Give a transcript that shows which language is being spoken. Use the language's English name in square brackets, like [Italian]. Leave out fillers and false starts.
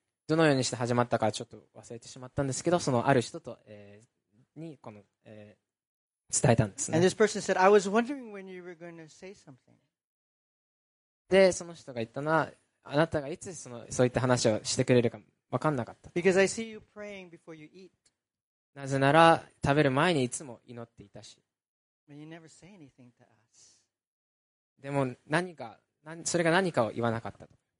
[Japanese] どのようにして始まったかちょっと忘れてしまったんですけど、そのある人と、にこの、伝えたんですね。 [English] And this person said, I was wondering when you were going to say something. [Japanese] で、その人が言ったのは、あなたがいつそういった話をしてくれるか分かんなかった。 [English] Because I see you praying before you eat. [Japanese] なぜなら、食べる前にいつも祈っていたし。 [English] But you never say anything to us. [Japanese] でも、それが何かを言わなかったと。